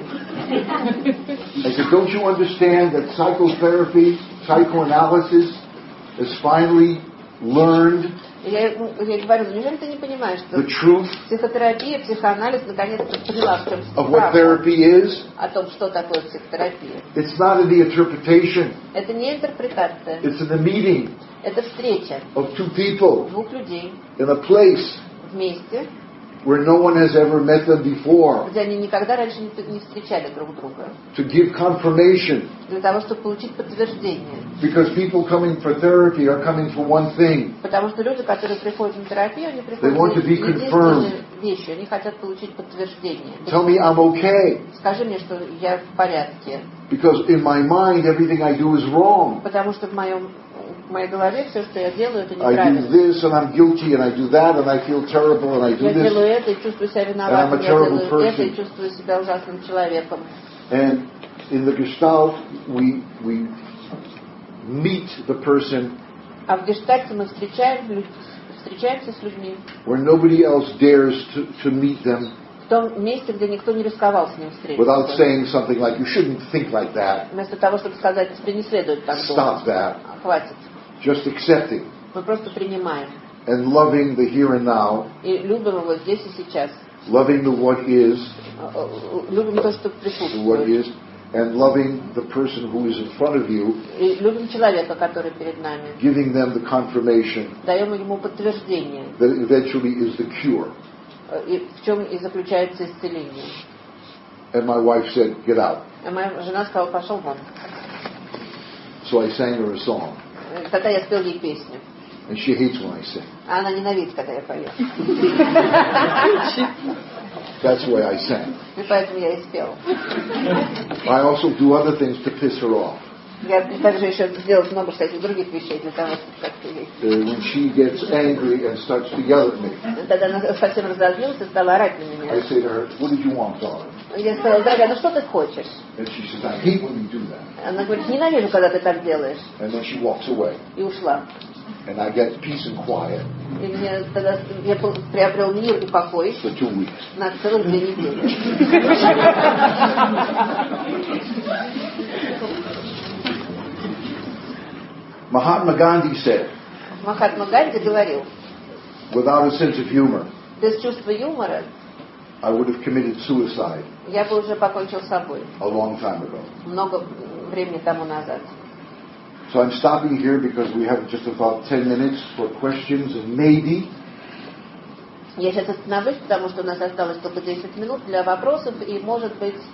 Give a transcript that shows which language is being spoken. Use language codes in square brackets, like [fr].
[en] I said, don't you understand that psychotherapy, psychoanalysis, is finally learned [ru] Я говорю, неужели ты не понимаешь, что психотерапия, психоанализ наконец-то поняла, в чем справа, о том, что такое психотерапия. [en] It's not the interpretation. [ru] Это не интерпретация. [en] It's the meeting. [ru] Это встреча [en] of two people [ru] двух людей [en] in a place [ru] вместе, [en] where no one has ever met them before, [ru] где они никогда раньше не встречали друг друга, [en] to give confirmation, [ru] для того, чтобы получить подтверждение. [en] Because people coming for therapy are coming for one thing. [ru] Потому что люди, которые приходят на терапию, они приходят. [en] They want to be confirmed. [ru] Вещи, они хотят получить подтверждение. [en] Tell me I'm okay. [ru] Скажи мне, что я в порядке. [en] Because in my mind everything I do is wrong. [ru] Потому что в моей голове все, что я делаю, это неправильно. [en] I do this and I'm guilty and I do that and I feel terrible and I do this. [ru] Я делаю это и чувствую себя виноватым. [en] I'm a terrible person. [ru] Я делаю это и чувствую себя ужасным человеком. [en] And in the Gestalt we meet the person. [ru] А в Гештальте мы встречаемся с людьми. [en] Where nobody else dares to meet them. [ru] В том месте, где никто не рисковал с ним встретиться. [en] Without saying something like, you shouldn't think like that. [ru] Вместо того, чтобы сказать, тебе не следует так думать. [en] Stop that. [ru] Хватит. [en] Just accepting. [ru] Мы просто принимаем. [en] And loving the here and now. [ru] И любим его здесь и сейчас. [en] Loving the what is. [ru] Любим то, что присутствует. [en] What is. And loving the person who is in front of you, [ru] и любим человека, который перед нами, [en] giving them the confirmation, [ru] даем ему подтверждение, [en] that eventually is the cure. [ru] И в чем и заключается исцеление. [en] And my wife said, get out. [ru] А моя жена сказала, пошел вон. [en] So I sang her a song. [ru] Тогда я спел ей песню. [en] And she hates when I sing. [ru] А она ненавидит, когда я пою. [en] That's why I sang. [ru] И поэтому я и спел. [en] I also do other things to piss her off. [ru] Я также еще сделал много всяких других вещей для того, чтобы как-то ей. [en] When she gets angry and starts to yell at me. [ru] Тогда она совсем разозлилась и стала орать на меня. [en] I say to her, "What did you want, darling?" [ru] Я сказала, дорогая, ну что ты хочешь? [en] And she says, "I hate when you do that." [ru] Она говорит, ненавижу, когда ты так делаешь. [en] And then she walks away. [ru] И ушла. [en] And I get peace and quiet. [ru] И мне тогда я приобрел мир и покой. [en] For 2 weeks. [ru] На целых 2 недели. [en] Mahatma Gandhi said. [ru] Махатма Ганди говорил. [en] Without a sense of humor. [ru] Без чувства юмора. [en] I would have committed suicide. [ru] Я бы уже покончил с собой. [en] A long time ago. [ru] Много времени тому назад. [en] So I'm stopping here because we have just about 10 minutes for questions and maybe. [ru] Я сейчас остановлюсь, потому что у нас осталось только 10 минут для вопросов и, может быть,